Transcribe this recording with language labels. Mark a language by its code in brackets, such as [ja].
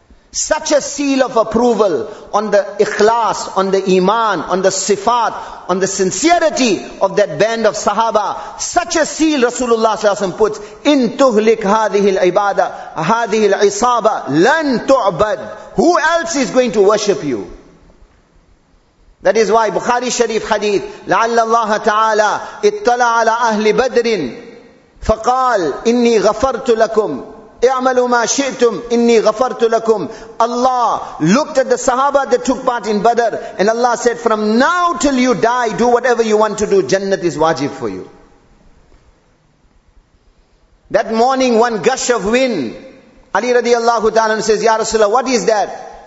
[en] Such a seal of approval on the ikhlas, on the iman, on the sifat, on the sincerity of that band of sahaba. Such a seal Rasulullah sallallahu alaihi wasallam puts, [ar] in tuhlik hadhihi al-ibada hadhihi al-isaba lan tu'bad. [en] Who else is going to worship you? That is why Bukhari Sharif hadith, [ar] لَعَلَّ اللَّهَ تَعَالَىٰ اِطَّلَعَ عَلَىٰ أَهْلِ بَدْرٍ فَقَالَ إِنِّي غَفَرْتُ لَكُمْ اِعْمَلُوا مَا شِئْتُمْ إِنِّي غَفَرْتُ لَكُمْ. [en] Allah looked at the sahaba that took part in Badr and Allah said, from now till you die, do whatever you want to do, Jannat is wajib for you. That morning, one gush of wind, Ali radiallahu ta'ala says, Ya Rasulullah, what is that?